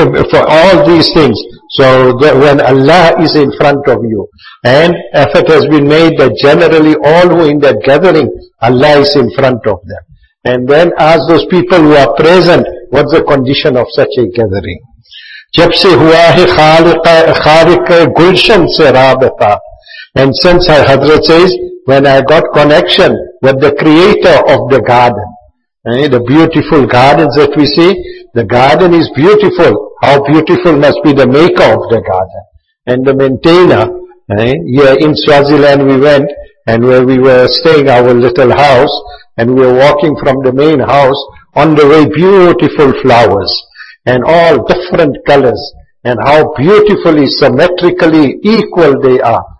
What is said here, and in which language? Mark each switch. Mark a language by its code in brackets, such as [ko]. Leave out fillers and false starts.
[en] For all these things. So that when Allah is in front of you, and effort has been made that generally all who are in that gathering, Allah is in front of them. And then ask those people who are present, what's the condition of such a gathering? [ur] جب سے ہوا ہے خالق گلشن سے رابطہ. [en] And since our Hazrat says, when I got connection with the creator of the garden, the beautiful gardens that we see, the garden is beautiful. How beautiful must be the maker of the garden and the maintainer. Here in Swaziland we went, and where we were staying our little house, and we were walking from the main house, on the way beautiful flowers and all different colors, and how beautifully, symmetrically equal they are.